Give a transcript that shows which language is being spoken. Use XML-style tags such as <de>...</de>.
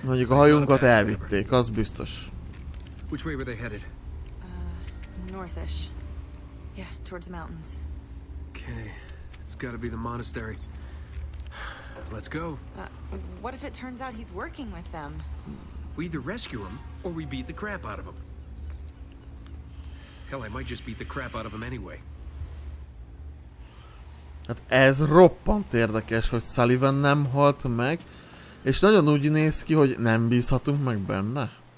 <hu>Mondjuk a hajunkat elvitték, az biztos.</hu> <en>Which way were they headed? Northish. Yeah, towards the mountains. Okay. It's got to be the monastery. Let's go. What if it turns out he's working with them? We either rescue him or we beat the crap out of him. Hell, I might just beat the crap out of him anyway.</en> <hu>Hát ez roppant érdekes, hogy Sullivan nem halt meg, és nagyon úgy néz ki, hogy nem bízhatunk meg benne.</hu>